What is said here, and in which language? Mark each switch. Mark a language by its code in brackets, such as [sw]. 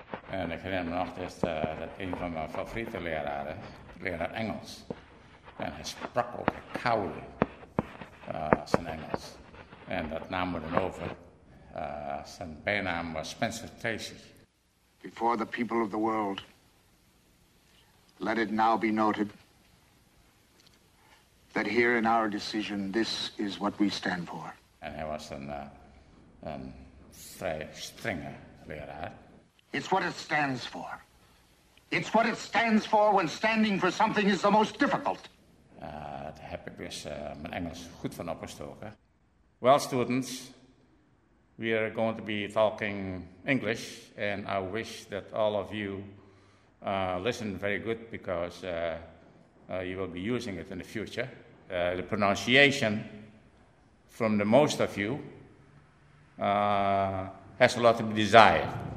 [nl] En ik herinner me nog dat een van mijn favoriete leraren, leraar Engels, en hij sprak ook koude zijn Engels. En dat namen we dan over. Zijn bijnaam was Spencer Tracy. [en] Before the people of the world, let it now be noted that here in our decision, this is what we stand for. [nl] En hij was een vrij strenge leraar. [en] It's what it stands for. It's what it stands for when standing for something is the most difficult. [nl] Daar heb ik dus mijn Engels goed van opgestoken. [en] Well, students, we are going to be talking English, and I wish that all of you listen very good, because you will be using it in the future. The pronunciation from the most of you has a lot to be desired.